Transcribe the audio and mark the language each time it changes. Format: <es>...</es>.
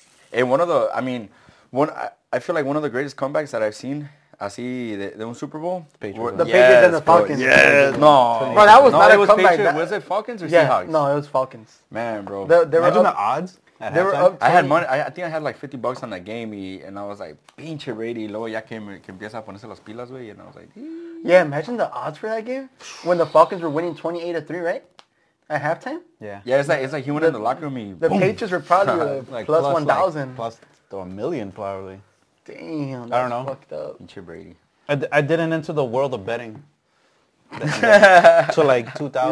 <en>Hey, I feel like one of the greatest comebacks that I've seen,</en> <es>de un Super Bowl.</es> <en>Patriots and the Falcons. Yes. No. Bro, that was not a comeback. Was it Falcons or Seahawks? No, it was Falcons. Man, bro. Imagine the odds. They were up 20. I had money. I think I had like $50 on that game, and I was like, pinche ready.</en> <es>Luego ya que empieza a ponerse las pilas, güey.</es> <en>And I was like, Yeah, imagine the odds for that game when the Falcons were winning 28-3, right? At halftime? Yeah. Yeah, it's like he went in the locker room and the Patriots were probably like plus 1,000. Plus a million, probably. Damn, that's fucked up. It's your Brady. I didn't enter the world of betting. To like 2000.</en>